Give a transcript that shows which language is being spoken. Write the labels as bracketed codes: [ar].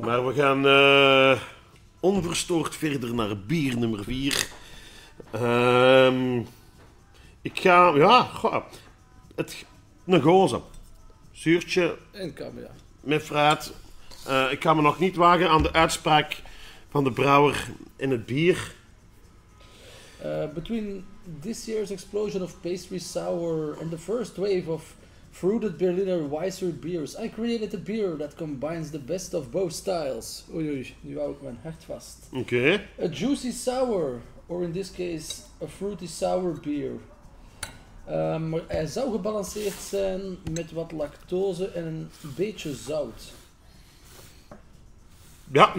[nl] Maar we gaan onverstoord verder naar bier nummer 4. Ik ga... Ja, goh. Een gozer. Zuurtje. En kam, ja. Met fruit. Ik ga me nog niet wagen aan de uitspraak van de brouwer in het bier. [en] Between this year's explosion of pastry sour and the first wave of fruited Berliner Weisser beers, I created a beer that combines the best of both styles. [nl] Oei, oei, nu hou ik mijn hart vast. Oké. [en] A juicy sour, or in this case, a fruity sour beer. [nl] Maar hij zou gebalanceerd zijn met wat lactose en een beetje zout. Ja,